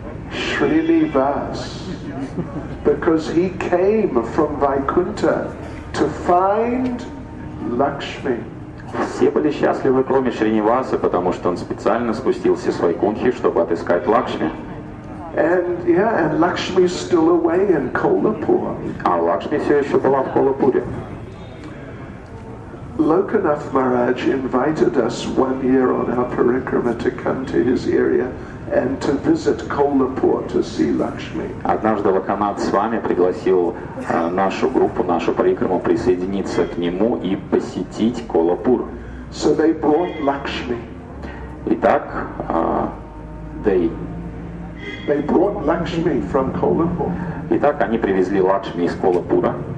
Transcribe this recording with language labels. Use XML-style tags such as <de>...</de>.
<en>Srinivas, because he came from Vaikuntha to find Lakshmi.</en> <ru>Все были счастливы, кроме Шринивасы, потому что он специально спустился с Вайкунхи, чтобы отыскать Лакшми.</ru> <en>And Lakshmi still away in Kolhapur.</en> <ru>А Лакшми все еще была в Колхапуре.</ru> <en>Lokanath Maharaj invited us one year on our parikrama to come to his area and to visit Kolhapur to see Lakshmi.</en> <ru>Однажды Локонат с вами пригласил нашу группу, нашу парикраму присоединиться к нему и посетить Колхапур.</ru> <en>So they brought Lakshmi.</en> <ru>Итак,</ru> <en>they brought Lakshmi from Kolhapur.</en> <ru>Итак, они привезли Лакшми из Колхапура.</ru>